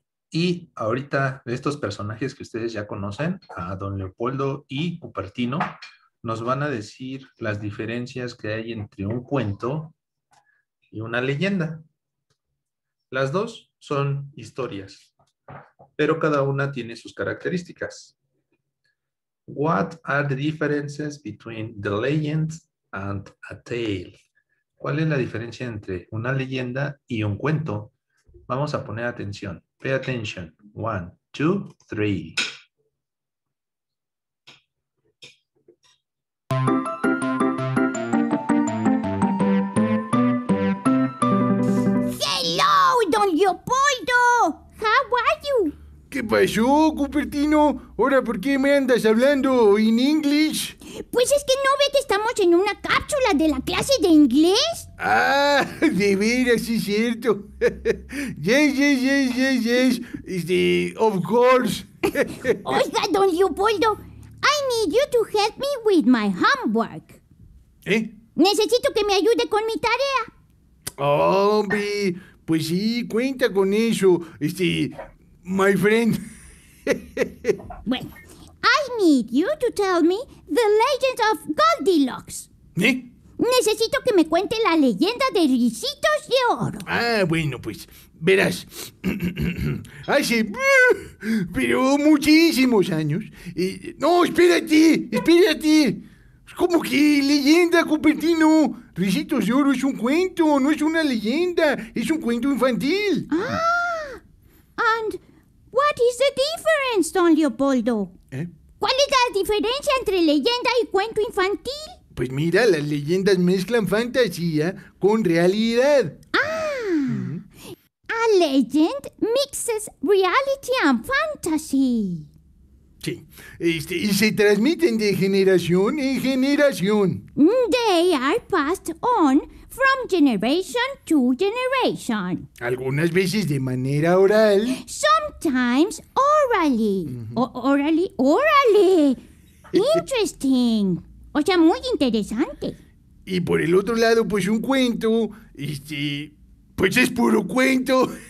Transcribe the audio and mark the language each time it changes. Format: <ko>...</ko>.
<es>Y ahorita, estos personajes que ustedes ya conocen, a Don Leopoldo y Cupertino, nos van a decir las diferencias que hay entre un cuento y una leyenda. Las dos son historias, pero cada una tiene sus características.</es> <en>What are the differences between the legend and a tale?</en> <es>¿Cuál es la diferencia entre una leyenda y un cuento? Vamos a poner atención.</es> <en>Pay attention. One, two, three. Hello, Don Leopoldo. How are you?</en> <es>¿Qué pasó, Cupertino? ¿Ahora por qué me andas hablando</es> <en>in English?</en> <es>Pues es que no ve que estamos en una cápsula de la clase de inglés. Ah, de veras, sí, es cierto.</es> <en>Yes. Of course.</en> <es>Oiga, Don Leopoldo,</es> <en>I need you to help me with my homework. ¿Eh?</en> <es>Necesito que me ayude con mi tarea. Hombre, pues sí, cuenta con eso.</es> <en>My friend.</en> <es>Bueno.</es> <en>I need you to tell me the legend of Goldilocks. ¿Eh?</en> <es>Necesito que me cuente la leyenda de Ricitos de Oro. Ah, bueno, pues, verás. Hace pero muchísimos años. No, espérate. ¿Cómo que leyenda, Cupertino? Ricitos de Oro es un cuento, no es una leyenda. Es un cuento infantil.</es> <en>Ah, and what is the difference,</en> <es>Don Leopoldo? ¿Cuál es la diferencia entre leyenda y cuento infantil? Pues mira, las leyendas mezclan fantasía con realidad.</es> <en>A legend mixes reality and fantasy.</en> <es>Sí, y se transmiten de generación en generación.</es> <en>They are passed on from generation to generation.</en> <es>Algunas veces de manera oral.</es> <en>Sometimes orally. Uh-huh. Orally. Interesting.</en> <es>O sea, muy interesante. Y por el otro lado, pues un cuento, pues es puro cuento.</es>